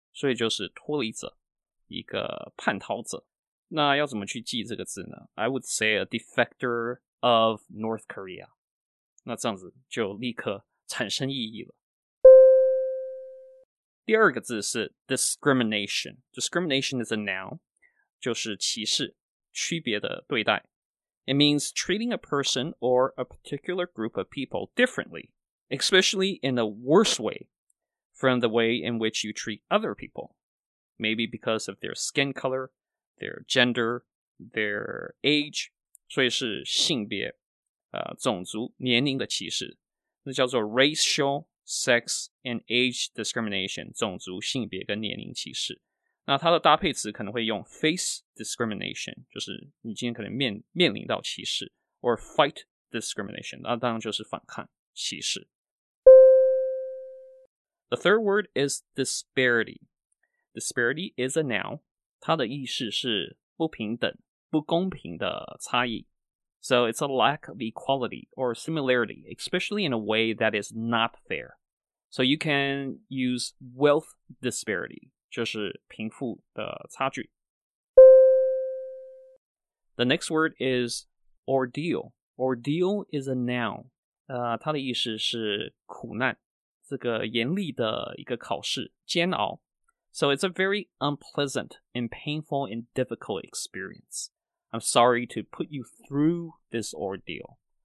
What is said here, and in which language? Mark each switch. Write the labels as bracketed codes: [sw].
[zh] 所以就是脱离者，一个叛逃者。那要怎么去记这个字呢？ [en] I would say a defector of North Korea. [zh] 那这样子就立刻产生意义了。第二个字是 [en] discrimination. Discrimination is a noun, [zh] 就是歧视。区别的对待。 [en] It means treating a person or a particular group of people differently, especially in a worse way from the way in which you treat other people. Maybe because of their skin color, their gender, their age. [zh] 所以是性别、种族、年龄的歧视。那叫做 [en] racial, sex, and age discrimination, [zh] 种族、性别跟年龄歧视。那它的搭配词可能会用 [en] face discrimination, [zh] 就是你今天可能 面临到歧视 [en] or fight discrimination, [zh] 那当然就是反抗歧视。 [en] The third word is disparity. Disparity is a noun, [zh] 它的意思是不平等、不公平的差异。 [en] So it's a lack of equality or similarity, especially in a way that is not fair. So you can use wealth disparity. [zh] 就是贫富的差距。 [en] The next word is ordeal. Ordeal is a noun. [zh] 它的意思是苦难，这个严厉的一个考试，煎熬。 [en] So it's a very unpleasant and painful and difficult experience. I'm sorry to put you through this ordeal.